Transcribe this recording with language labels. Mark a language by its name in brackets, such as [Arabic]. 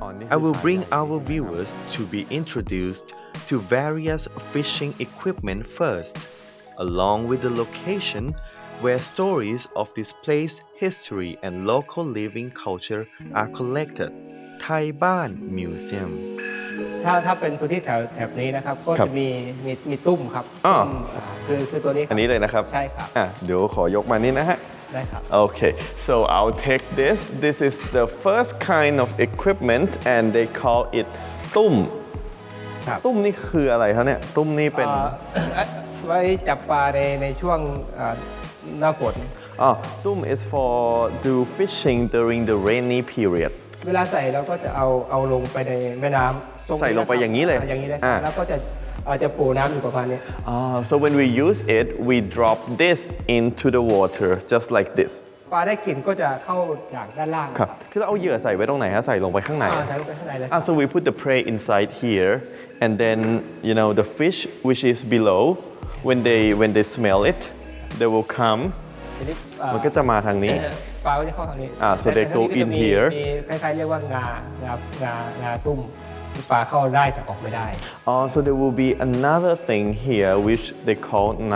[English] I will bring our viewers to be introduced to various fishing equipment first, along with the location where stories of this place, history, and local living culture are collected, Thai Ban Museum. [Thai] ถ้าเป็นพื้นที่แถบนี้นะครับก็จะมีตุ้มครับคือตัวนี้ อันนี้เลยนะครับ ใช่ครับ เดี๋ยวขอยกมานี่นะฮะ ได้ครับ [English] โอเค so I'll take this is the first kind of equipment and they call it ตุ้ม ครับ [Thai] ตุ้มนี่คืออะไรครับเนี่ยตุ้มนี่เป็น ไว้จับปลาในช่วงหน้าฝน [English] ตุ้ม is for do fishing during the rainy period [Thai] เวลาใส่เราก็จะเอาลงไปในแม่น้ำ ใส่ลงไปอย่างนี้เลย อย่างนี้เลยแล้วก็จะปูน้ำอยู่ประมาณนี้ [English] so when we use it we drop this into the water just like this [Thai] ปลาได้กลิ่นก็จะเข้าจากด้านล่าง ครับคือเราเอาเหยื่อใส่ไว้ตรงไหนฮะใส่ลงไปข้างใน ใส่ลงไปข้างในเลย [English] so we put the prey inside here and then you know the fish which is below when they smell it they will come [Thai] มันก็จะมาทางนี้ ปลาก็จะเข้าทางนี้ [English] so they go in here [Thai] มีคล้ายๆเรียกว่างาตุ้มปลาเข้าได้แต่ออกไม่ได้ [English] so there will be another thing here which they call